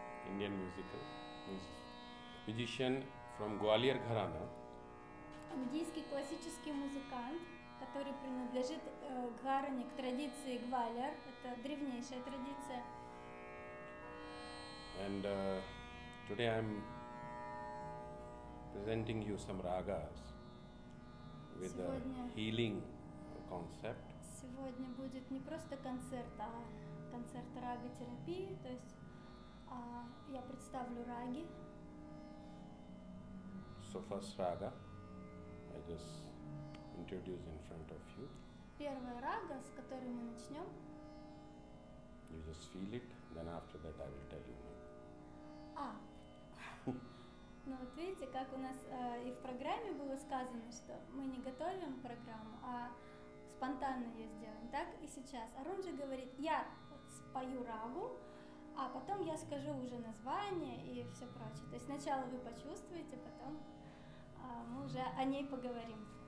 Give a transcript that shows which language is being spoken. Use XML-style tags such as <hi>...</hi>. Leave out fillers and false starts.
<en>Indian musical, musician from Gwalior Gharana.</en> <ru>Индийский классический музыкант, который принадлежит Гаране, к традиции Гвалиор. Это древнейшая традиция.</ru> <en>And today I'm presenting you some ragas with the healing concept.</en> <ru>Сегодня будет не просто концерт, а концерт рага-терапии, то есть я представлю раги.</ru> <en>So first raga, I just introduce in front of you.</en> <ru>Первая рага, с которой мы начнем.</ru> <en>You just feel it, then after that I will tell you.</en> <ru>Ну вот видите, как у нас и в программе было сказано, что мы не готовим программу, а спонтанно ее сделаем, так и сейчас. Арун же говорит, я спою рагу, а потом я скажу уже название и все прочее. То есть сначала вы почувствуете, потом мы уже о ней поговорим.</ru>